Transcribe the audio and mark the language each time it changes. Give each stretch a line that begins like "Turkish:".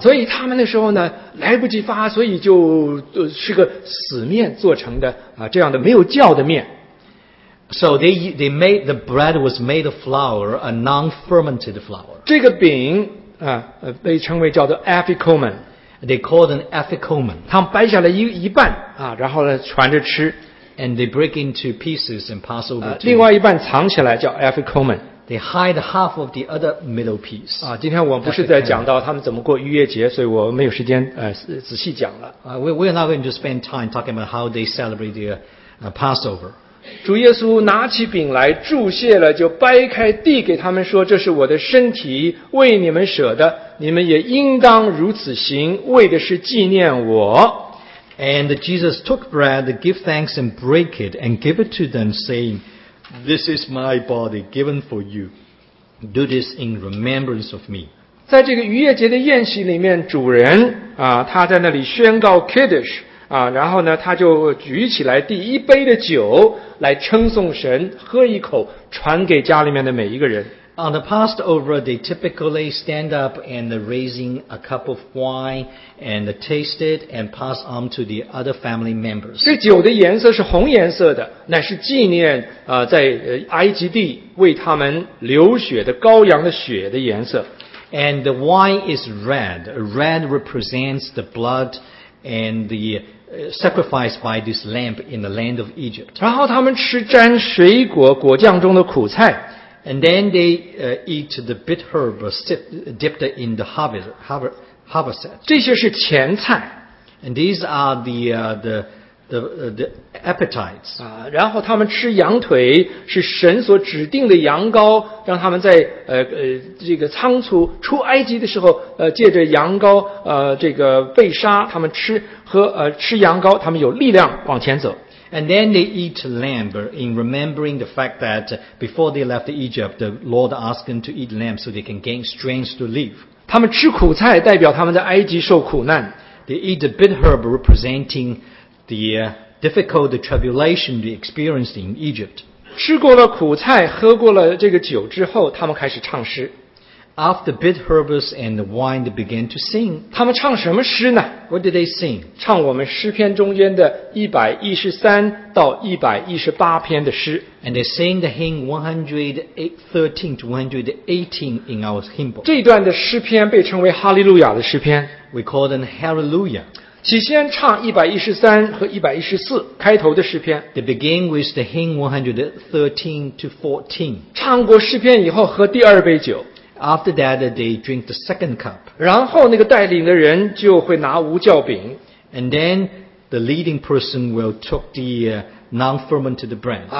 Chinese: 所以他们的时候呢，来不及发，所以就是个死面做成的这样的没有酵的面。
English: So they made the bread was made of flour, a non-fermented flour.
Chinese: 这个饼被称为叫做 aphikomen.
English: They called an aphikomen.
Chinese: 他们掰下来一半然后呢传着吃。
English: And they break into pieces and pass over to.
Chinese: 另外一半藏起来叫 aphikomen.
English: They hide half of the other middle piece.
Chinese: 今天我不是在讲到他们怎么过逾越节，所以我没有时间仔细讲了。
English: We are not going to spend time talking about how they celebrate their Passover.
Chinese: 主耶稣拿起饼来祝谢了，就掰开递给他们说，这是我的身体为你们舍的，你们也应当如此行，为的是纪念我。
English: And Jesus took bread, gave thanks and break it and give it to them saying, this is my body given for you, do this in remembrance of me.
Chinese: 在这个逾越节的宴席里面，主人他在那里宣告 Kiddush然后呢，他就举起来第一杯的酒来称颂神，喝一口，传给家里面的每一个人。
English: On the Passover, they typically stand up and raising a cup of wine and taste it and pass on to the other family members.
Chinese: 这酒的颜色是红颜色的，乃是纪念在埃及地为他们流血的羔羊的血的颜色。
English: And the wine is red. Red represents the blood and the sacrifice by this lamb in the land of Egypt.
Chinese: 然后他们吃沾水果果酱中的苦菜。
English: And then they eat the bitter herb dipped in the harvest.
Chinese: 这些是前菜。
English: And these are the appetites.
Chinese: 然后他们吃羊腿，是神所指定的羊羔，让他们在这个仓促出埃及的时候，借着羊羔这个被杀，他们吃和吃羊羔，他们有力量往前走。
English: And then they eat lamb in remembering the fact that before they left Egypt, the Lord asked them to eat lamb so they can gain strength to live.
Chinese: 他们吃苦菜代表他们在埃及受苦难。
English: They eat the bitter herb representing the difficult tribulation they experienced in Egypt.
Chinese: 吃过了苦菜，喝过了这个酒之后，他们开始唱诗。
English: After bitter herbs and the wine, they began to sing.
Chinese: 他们唱什么诗呢？
English: What did they sing?
Chinese: 唱我们诗篇中间的113到118篇的诗。
English: And they sing the hymn 113 to 118 in our hymn book.
Chinese: 这段的诗篇被称为哈利路亚的诗篇。
English: We call them Hallelujah.
Chinese: 起先唱113和114开头的诗篇。
English: They begin with the hymn 113 to 14.
Chinese: 唱过诗篇以后喝第二杯酒。
English: After that, they drink the second cup.
Chinese: 然后那个带领的人就会拿无酵饼。
English: And then the leading person will took the non-fermented bread.